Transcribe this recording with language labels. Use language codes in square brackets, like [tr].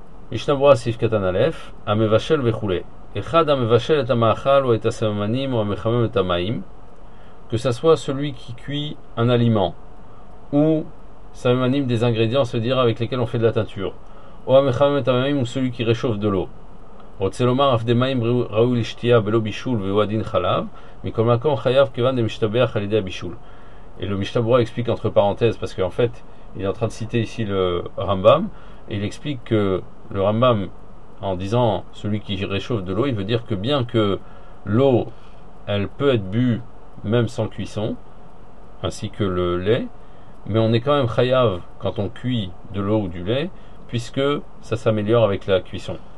[fr] Mishnah Berurah Sif Katan Alef, [he] Amevashel Vechule. [fr] Que ça soit celui qui cuit un aliment ou samanim des ingrédients, c'est-à-dire avec lesquels on fait de la teinture, ou celui qui réchauffe de l'eau, [he] רוצה לומר, אף דמים ראוי לשתייה ולא בישול והוא הדין חלב, מכל מקום חייב כיוון דמשתבח על ידי הבישול. [fr] Et le Mishnah explique entre parenthèses, parce qu'en fait, il est en train de citer ici le Rambam, et il explique que le Rambam, en disant celui qui réchauffe de l'eau, il veut dire que bien que l'eau, elle peut être bue même sans cuisson, ainsi que le lait, mais on est quand même chayav quand on cuit de l'eau ou du lait, puisque ça s'améliore avec la cuisson.